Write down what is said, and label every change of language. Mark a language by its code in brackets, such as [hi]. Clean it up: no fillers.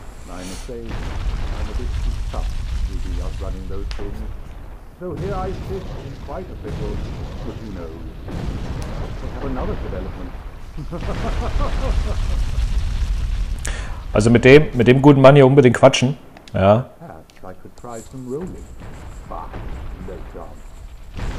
[en] I'm afraid I'm a bit too tough to be out running those things. So here I sit, in quite a pickle, but who knows? We have another development. [de] Also mit dem guten Mann hier unbedingt quatschen, ja? [en] Perhaps I could try some rolling, but no chance.